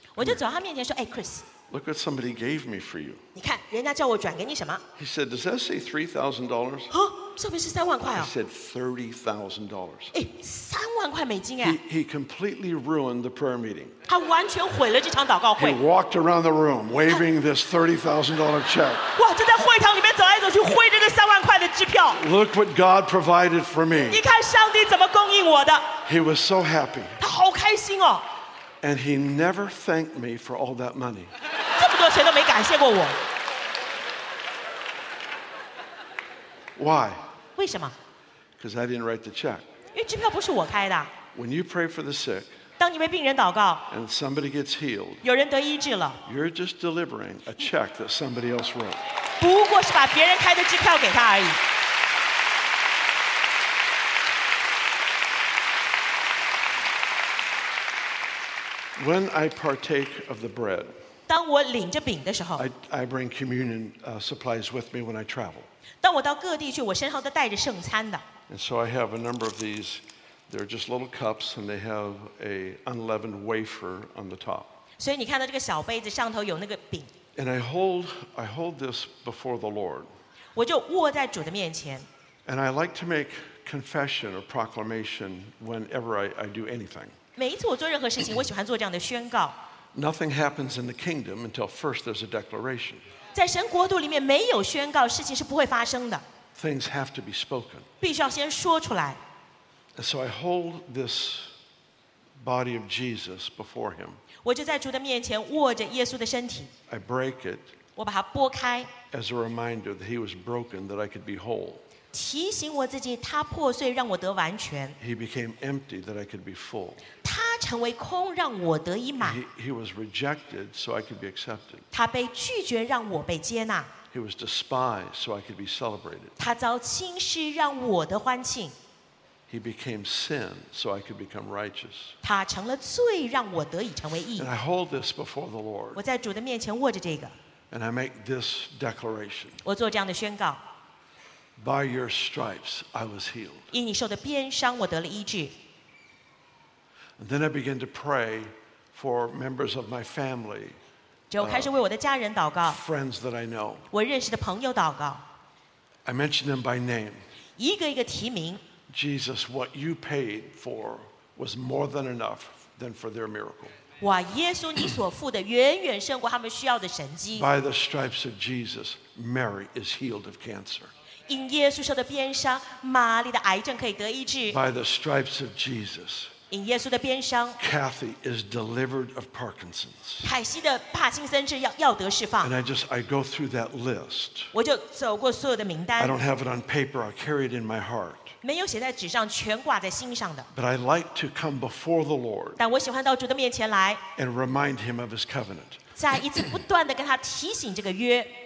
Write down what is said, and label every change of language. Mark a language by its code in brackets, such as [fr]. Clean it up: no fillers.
[zh] 我就走到他面前说，哎 ，Chris。 [en] Look what somebody gave me for you. [zh] 你看，人家叫我转给你什么？ [en] He said, "Does that say $3,000?" [zh] 哦，上面是三万块啊。 [en] He said $30,000. [zh] 哎，三万块美金哎。 [en] He completely ruined the prayer meeting. [zh] 他完全毁了这场祷告会。 [en] He walked around the room waving this $30,000 check. [zh] 哇，就在会堂里面走来走去，挥着这三万块的支票。 [en] Look what God provided for me. [zh] 你看上帝怎么供应我的。 [en] He was so happy. [zh] 他好开心哦。 [en] And he never thanked me for all that money. [zh] 这么多钱都没感谢过我。 [en] Why? [zh] 为什么？ [en] Because I didn't write the check. [zh] 因为支票不是我开的。 [en] When you pray for the sick, [zh] 当你为病人祷告， [en] and somebody gets healed, [zh] 有人得医治了， [en] you're just delivering a check that somebody else wrote. [zh] 不过是把别人开的支票给他而已。 [en] When I partake of the bread, [zh] 当我领着饼的时候， [en] I bring communion supplies with me when I travel. [zh] 当我到各地去，我身上都带着圣餐的。 [en] And so I have a number of these. They're just little cups, and they have a unleavened wafer on the top. [zh] 所以你看到这个小杯子上头有那个饼。 [en] And I hold this before the Lord. [zh] 我就握在主的面前。 [en] And I like to make confession or proclamation whenever I do anything. [zh] 每一次我做任何事情，我喜欢做这样的宣告。 [en] Nothing happens in the kingdom until first there's a declaration. [zh] 在神国度里面没有宣告，事情是不会发生的。 [en] Things have to be spoken. [zh] 必须要先说出来。 [en] So I hold this body of Jesus before him. [zh] 我就在主的面前握着耶稣的身体。 [en] I break it. [zh] 我把它拨开。 [en] As a reminder that he was broken that I could be whole. [zh] 提醒我自己，他破碎让我得完全。 [en] He became empty that I could be full. [zh] 他成为空，让我得以满。 [en] He was rejected so I could be accepted. [zh] 他被拒绝，让我被接纳。 [en] He was despised so I could be celebrated. [zh] 他遭轻视，让我得欢庆。 [en] He became sin so I could become righteous. [zh] 他成了罪，让我得以成为义。 [en] And I hold this before the Lord. [zh] 我在主的面前握着这个。 [en] And I make this declaration. [zh] 我做这样的宣告。 [en] By your stripes, I was healed. [zh] 因你受的鞭伤，我得了医治。 [en] Then I began to pray for members of my family. [zh] 就开始为我的家人祷告。 [en] Friends that I know. [zh] 我认识的朋友祷告。 [en] I mentioned them by name. [zh] 一个一个提名。 [en] Jesus, what you paid for was more than enough than for their miracle. [zh] 哇，耶稣，你所付的远远胜过他们需要的神迹。 [en] By the stripes of Jesus, Mary is healed of cancer. [zh] 因耶稣受的鞭伤，玛丽的癌症可以得医治。 [en] By the stripes of Jesus, [zh] 因耶稣的鞭伤 [en] ，Kathy is delivered of Parkinson's. [zh] 凯西的帕金森症要得释放。 [en] And I go through that list. [zh] 我就走过所有的名单。 [en] I don't have it on paper. I carry it in my heart. [zh] 没有写在纸上，全挂在心上的。 [en] But I like to come before the Lord. [zh] 但我喜欢到主的面前来。 [en] And remind Him of His covenant. [zh] 再一次不断地跟他提醒这个约。